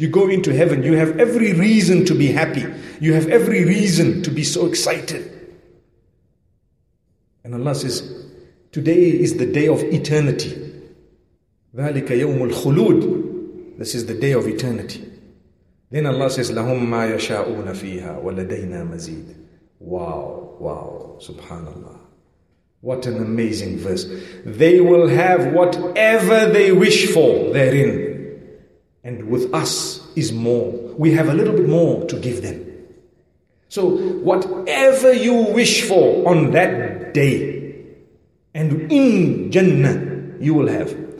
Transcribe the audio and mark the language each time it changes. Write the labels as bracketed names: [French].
[English] You go into heaven, you have every reason to be happy. You have every reason to be so excited. And Allah says, today is the day of eternity. [Arabic] ذَلِكَ يَوْمُ الْخُلُودِ. [English] This is the day of eternity. Then Allah says, [Arabic] لَهُمْ مَا يَشَاءُونَ فِيهَا وَلَدَيْنَا مَزِيدٌ. [English] Wow, wow, subhanAllah. What an amazing verse. They will have whatever they wish for therein. And with us is more. We have a little bit more to give them. So whatever you wish for on that day, and in Jannah, you will have.